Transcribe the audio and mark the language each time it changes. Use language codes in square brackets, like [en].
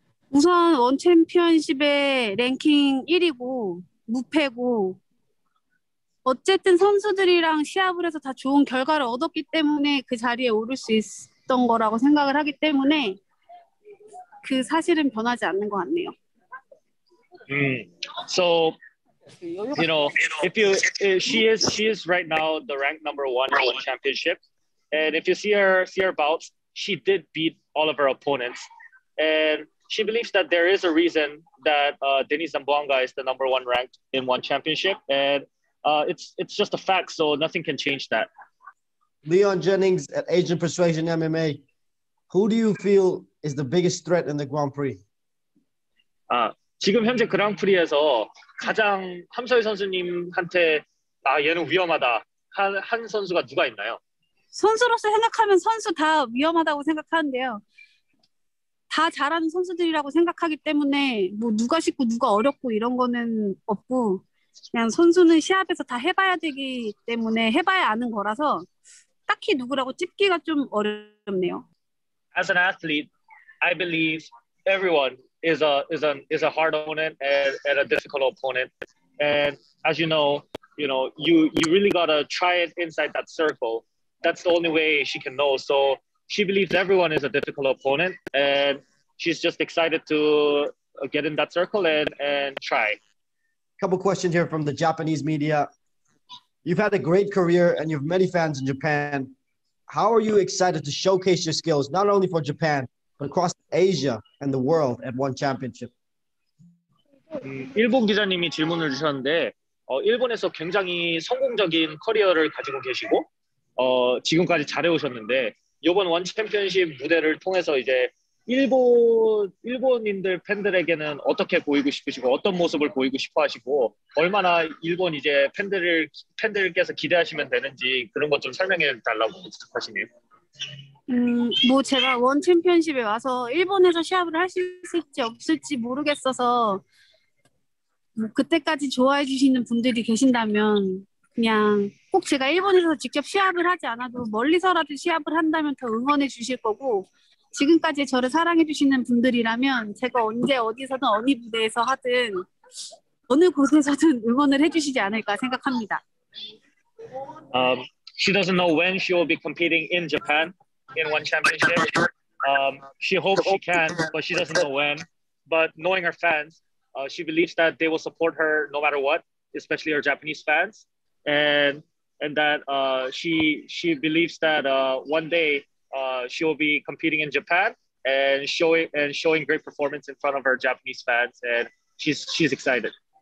[ko] 우선 ON 챔피언십의 랭킹 1위고 무패고 어쨌든 선수들이랑 시합을 해서 다 좋은 결과를 얻었기 때문에 그 자리에 오를 수 있었던 거라고 생각을 하기 때문에 그 사실은 변하지 않는 것 같네요. [en] So you know, if she is right now the rank number one in ONE Championship, and if you see her bouts, she did beat all of her opponents, and she believes that there is a reason that Denise Zambuanga is the number one ranked in ONE Championship, and it's just a fact, so nothing can change that. Leon Jennings at Asian Persuasion MMA, who do you feel is the biggest threat in the Grand Prix? [ko] 지금 현재 그랑프리에서 가장 함서희 선수님한테 아 얘는 위험하다 한 선수가 누가 있나요? 선수로서 생각하면 선수 다 위험하다고 생각하는데요. 다 잘하는 선수들이라고 생각하기 때문에 뭐 누가 쉽고 누가 어렵고 이런 거는 없고 그냥 선수는 시합에서 다 해봐야 되기 때문에 해봐야 아는 거라서 딱히 누구라고 찍기가 좀 어렵네요. [en] As an athlete, I believe everyone is a hard opponent and a difficult opponent. And as you know, you really gotta try it inside that circle. That's the only way she can know. So she believes everyone is a difficult opponent, and she's just excited to get in that circle and try. Couple questions here from the Japanese media. You've had a great career and you have many fans in Japan. How are you excited to showcase your skills, not only for Japan, but across Asia and the world at one championship? [ko] 일본 기자님이 질문을 주셨는데, 일본에서 굉장히 성공적인 커리어를 가지고 계시고, 지금까지 잘해오셨는데, 이번 원 챔피언십 무대를 통해서 이제 일본인들 팬들에게는 어떻게 보이고 싶으시고 어떤 모습을 보이고 싶어 하시고 얼마나 일본 이제 팬들께서 기대하시면 되는지 그런 것 좀 설명해 달라고 부탁하시네요. 뭐 제가 원 챔피언십에 와서 일본에서 시합을 할 수 있을지 없을지 모르겠어서 뭐 그때까지 좋아해 주시는 분들이 계신다면 그냥 꼭 제가 일본에서 직접 시합을 하지 않아도 멀리서라도 시합을 한다면 더 응원해 주실 거고 지금까지 저를 사랑해 주시는 분들이라면 제가 언제 어디서든 어느 무대에서 하든 어느 곳에서든 응원을 해 주시지 않을까 생각합니다. [en] She doesn't know when she will be competing in Japan in one championship. She hopes she can, but she doesn't know when. But knowing her fans, she believes that they will support her no matter what, especially her Japanese fans. And that she believes that one day she will be competing in Japan and showing great performance in front of her Japanese fans, and she's excited.